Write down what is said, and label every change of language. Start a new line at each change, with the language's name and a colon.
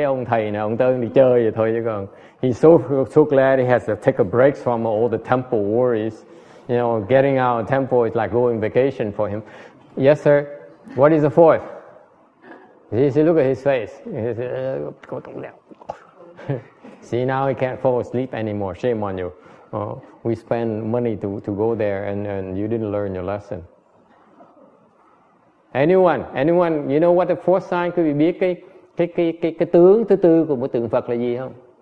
Vietnamese: Cái ông thầy này, ông tới đi chơi vậy thôi chứ còn.
English: He's so glad he has to take a break from all the temple worries. You know, getting out of temple is like going vacation for him. Yes, sir. What is the fourth? See, look at his face. He says, see, now he can't fall asleep anymore. Shame on you. Oh, we spend money to go there and you didn't learn your lesson. Anyone, you know what the fourth sign could be?
Vietnamese: Biết cái tướng thứ tư của một tượng Phật là gì không?